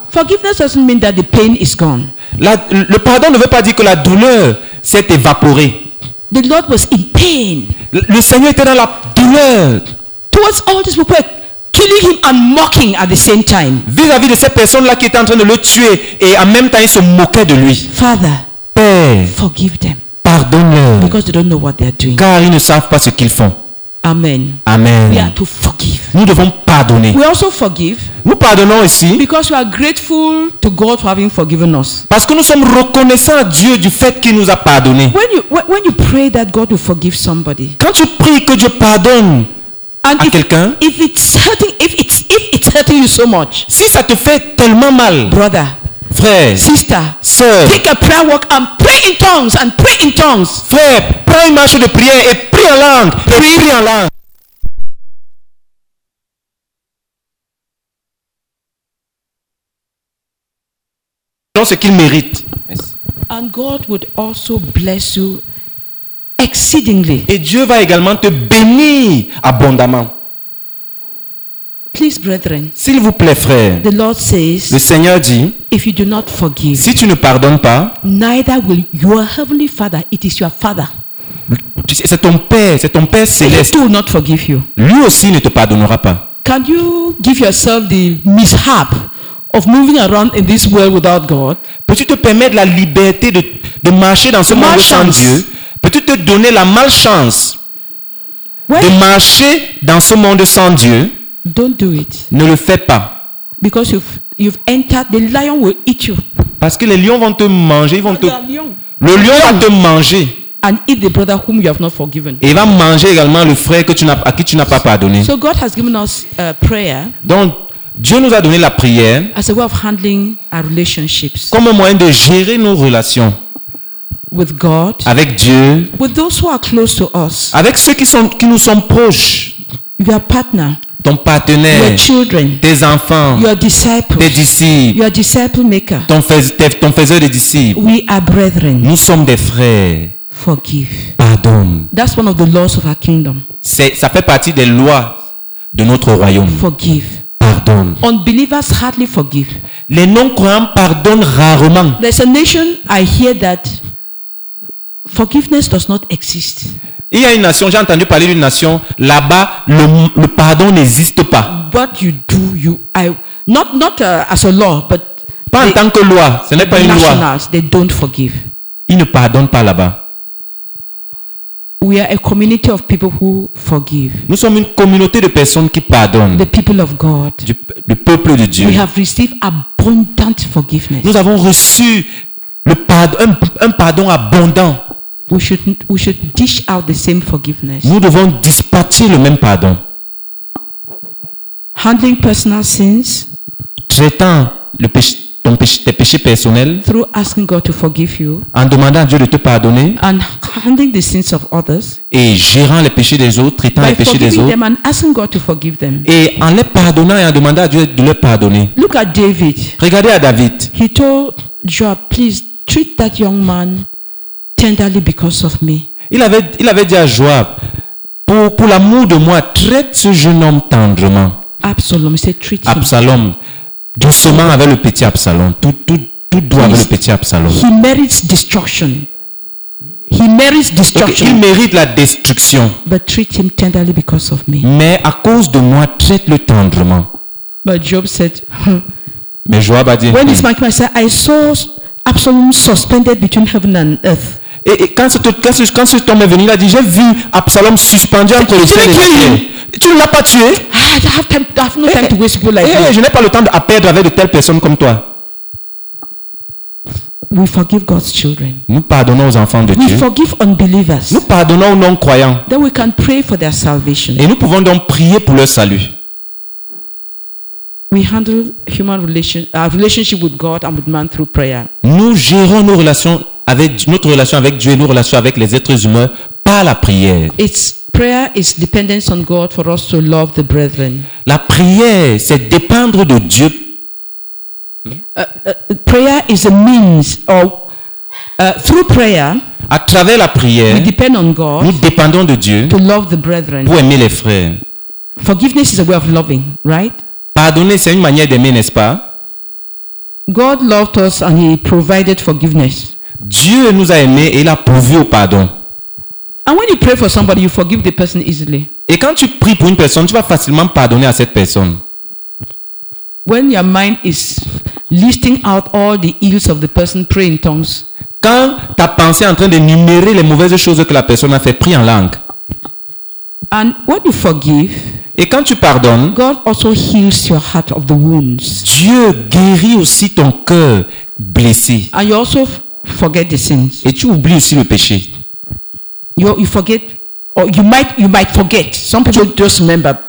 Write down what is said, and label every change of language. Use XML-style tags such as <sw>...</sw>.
<en>Forgiveness doesn't mean that the pain is gone.</en> <fr>Le pardon ne veut pas dire que la douleur s'est évaporée.</fr> <en>The Lord was in pain.</en> <fr>Le Seigneur était dans la douleur.</fr> <en>Towards all these people killing him and mocking at the same time.</en> <fr>Vis-à-vis de ces personnes-là qui étaient en train de le tuer et en même temps ils se moquaient de lui.</fr> <en>Father,</en> <fr>Père,</fr> <en>forgive them.</en> <fr>Pardonne-leur.</fr> <en>Because they don't know what they are doing.</en> <fr>Car ils ne savent pas ce qu'ils font.</fr> <en>Amen.</en> <fr>Amen.</fr> <en>We are to forgive.</en> <fr>Nous devons pardonner.</fr> <en>We also forgive.</en> <fr>Nous pardonnons aussi.</fr> <en>Because we are grateful to God for having forgiven us.</en> <fr>Parce que nous sommes reconnaissants à Dieu du fait qu'il nous a pardonné.</fr> <en>When you pray that God will forgive somebody.</en> <fr>Quand tu pries que Dieu pardonne</fr> <en>and</en> <fr>à</fr> <en>if,</en> <fr>quelqu'un.</fr> <en>If it's hurting you so much.</en> <fr>Si ça te fait tellement mal.</fr> <en>Brother.</en> <fr>Frère.</fr> <en>Sister.</en> <fr>Sœur.</fr> <en>Take a prayer walk and pray in tongues and pray in tongues.</en> <fr>Frère, prends une marche de prière et prie en langue. Prie en langue. Non, ce qu'il mérite.</fr> <en>And God would also bless you exceedingly.</en> <fr>Et Dieu va également te bénir abondamment.</fr> <en>Please, brethren.</en> <fr>S'il vous plaît, frère.</fr> <en>The Lord says.</en> <fr>Le Seigneur dit.</fr> <en>If you do not forgive.</en> <fr>Si tu ne pardonnes pas.</fr> <en>Neither will your heavenly Father. It is your Father.</en> <fr>C'est ton Père. C'est ton Père céleste.</fr> <en>He will not forgive you.</en> <fr>Lui aussi ne te pardonnera pas.</fr> <en>Can you give yourself the mishap of moving around in this world without God?</en> <fr>Peux-tu te permettre la liberté de marcher dans ce monde sans Dieu? Peux-tu te donner la malchance de marcher dans ce monde sans Dieu?</fr> <en>Don't do it.</en> <fr>Ne le fais pas.</fr> <en>Because you've entered, the lion will eat you.</en> <fr>Parce que les lions vont te manger, le lion va te manger.</fr> <en>And eat the brother whom you have not forgiven.</en> <fr>Et va manger également le frère à qui tu n'as pas pardonné.</fr> <en>So God has given us a prayer.</en> <fr>Donc Dieu nous a donné la prière.</fr> <en>As a way of handling our relationships.</en> <fr>Comme un moyen de gérer nos relations.</fr> <en>With God.</en> <fr>Avec Dieu.</fr> <en>With those who are close to us.</en> <fr>Avec ceux qui nous sont proches.</fr> <en>Your partner.</en> <fr>Ton partenaire,</fr> <en>your children,</en> <fr>tes enfants,</fr> <en>your disciples,</en> <fr>tes disciples,</fr> <en>your disciple maker,</en> <fr>ton faiseur de disciples.</fr> <en>We are brethren.</en> <fr>Nous sommes des frères.</fr> <en>Forgive.</en> <fr>Pardonne.</fr> <en>That's one of the laws of our kingdom.</en> <fr>Ça fait partie des lois de notre royaume.</fr> <en>Forgive.</en> <fr>Pardonne.</fr> <en>Unbelievers hardly forgive.</en> <fr>Les non-croyants pardonnent rarement.</fr> <en>There's a nation I hear that forgiveness does not exist.</en> <fr>Il y a une nation, j'ai entendu parler d'une nation, là-bas, le pardon n'existe pas.</fr> <en>What you do, as a law, but</en> <fr>pas en tant que loi, ce n'est pas une loi.</fr> <en>They don't forgive.</en> <fr>Ils ne pardonnent pas là-bas.</fr> <en>We are a community of people who forgive.</en> <fr>Nous sommes une communauté de personnes qui pardonnent.</fr> <en>The people of God.</en> <fr>Le peuple de Dieu.</fr> <en>We have received abundant forgiveness.</en> <fr>Nous avons reçu un pardon abondant.</fr> <en>We should dish out the same forgiveness.</en> <fr>Nous devons dispatcher le même pardon.</fr> <en>Handling personal sins.</en> <fr>Traitant tes péchés personnels.</fr> <en>Through asking God to forgive you.</en> <fr>En demandant à Dieu de te pardonner.</fr> <en>And handling the sins of others.</en> <fr>Et gérant les péchés des autres, traitant les péchés des autres.</fr> <en>By forgiving them and asking God to forgive them.</en> <fr>Et en les pardonnant et en demandant à Dieu de les pardonner.</fr> <en>Look at David.</en> <fr>Regardez à David.</fr> <en>He told Joab, please treat that young man. Tenderly because of me.</en> <fr>Il avait dit à Joab, pour l'amour de moi, traite ce jeune homme tendrement.</fr> <en>Absalom, c'est treat him.</en> <fr>Absalom, Doucement avec le petit Absalom. Tout doux avec le petit Absalom.</fr> <en>He merits destruction. He merits destruction.</en> <fr>Donc, il mérite la destruction.</fr> <en>But treat him tenderly because of me.</en> <fr>Mais à cause de moi, traite-le tendrement.</fr> <en>But Job said,</en> <fr>mais Job a dit,</fr> <en>when his mic was said, I saw Absalom suspended between heaven and earth.</en> <fr>Et quand ce homme est venu, il a dit, j'ai vu Absalom suspendu entre le ciel et le ciel. Tu ne l'as pas tué? Je n'ai pas le temps à perdre avec de telles personnes comme toi.</fr> <en>We forgive God's children.</en> <fr>Nous pardonnons aux enfants de Dieu.</fr> <en>We forgive unbelievers.</en> <fr>Nous pardonnons aux non-croyants.</fr> <en>Then we can pray for their salvation.</en> <fr>Et nous pouvons donc prier pour leur salut.</fr> <en>We handle human relationship with God and with man through prayer.</en> <fr>Nous gérons nos relations avec notre relation avec Dieu et nos relations avec les êtres humains par la prière.</fr> <en>It's prayer is dependence on God for us to love the brethren.</en> <fr>La prière, c'est dépendre de Dieu.</fr> <en>Prayer is a means of through prayer.</en> <fr>À travers la prière,</fr> <en>we depend on God.</en> <fr>Nous dépendons de Dieu.</fr> <en>To love the brethren.</en> <fr>Pour aimer les frères.</fr> <en>Forgiveness is a way of loving, right?</en> <fr>Pardonner, c'est une manière d'aimer, n'est-ce pas?</fr> <en>God loved us and He provided forgiveness.</en> <fr>Dieu nous a aimés et il a pourvu au pardon.</fr> <en>And when you pray for somebody, you forgive the person easily.</en> <fr>Et quand tu pries pour une personne, tu vas facilement pardonner à cette personne.</fr> <en>When your mind is listing out all the ills of the person, pray in tongues.</en> <fr>Quand ta pensée est en train d'énumérer les mauvaises choses que la personne a fait, prie en langue.</fr> <en>And when you forgive,</en> <fr>et quand tu pardonnes,</fr> <en>God also heals your heart of the wounds.</en> <fr>Dieu guérit aussi ton cœur blessé.</fr> <en>And you also forget the sins.</en> <fr>Et tu oublies aussi le péché.</fr> <en>You might forget. Some people just remember.</en>